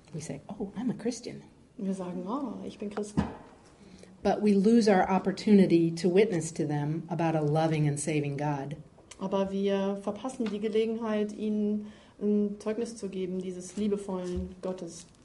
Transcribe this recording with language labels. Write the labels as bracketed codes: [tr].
[en] We say, oh, I'm a Christian. [de] Wir sagen, oh, ich bin Christ. [en] But we lose our opportunity to witness to them about a loving and saving God. [de] Aber wir verpassen die Gelegenheit, ihnen ein Zeugnis zu geben, dieses liebevollen Gottes.